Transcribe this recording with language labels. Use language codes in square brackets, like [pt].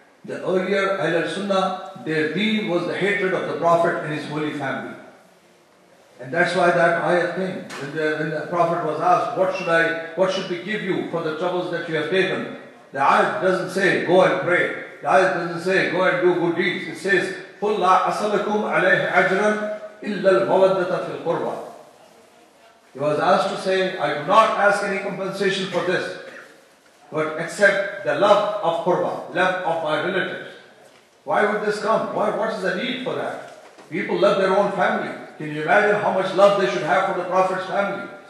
[en] The earlier Ahlul Sunnah, their deen was the hatred of the Prophet and his holy family. And that's why that ayat came. When the Prophet was asked, what should we give you for the troubles that you have taken? The ayat doesn't say, go and pray. The ayat doesn't say, go and do good deeds. [ar] It says, قُلْ لَا أَسَلَكُمْ عَلَيْهِ عَجْرًا إِلَّا الْمَوَدَّةَ فِي الْقُرْبَى. [en] He was asked to say, I do not ask any compensation for this, but accept the love of Qurba, love of my relatives. Why would this come? Why? What is the need for that? People love their own family. Can you imagine how much love they should have for the Prophet's family?